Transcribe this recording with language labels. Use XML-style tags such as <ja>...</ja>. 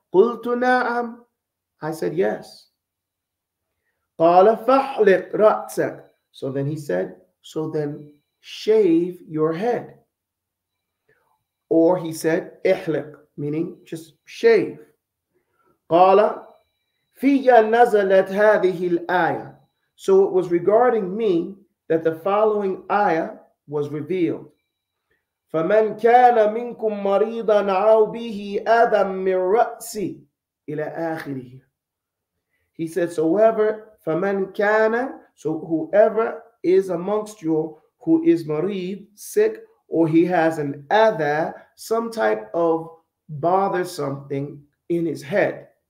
<ar>قُلْتُ نَعَمْ</ar> <en>I said, yes.</en> <ar>قَالَ فَحْلِقْ رَأْسَكْ</ar> <en>So then he said, so then shave your head. Or he said, إِحْلِقْ, meaning just shave.</en> <ar>قَالَ فِيَّ نَزَلَتْ هَذِهِ الْآيَةِ</ar> <en>So it was regarding me that the following ayah was revealed.</en> <ar>فَمَنْ كَانَ مِنْكُمْ مَرِيضًا عَوْ بِهِ أَذًى مِنْ رَأْسِ إِلَىٰ آخِرِهِ</ar> <en>He said, so whoever...</en> <ar>فَمَنْ كَانَ</ar> <en>So whoever is amongst you who is marid, sick, or he has an adha, some type of bothersome thing in his head.</en>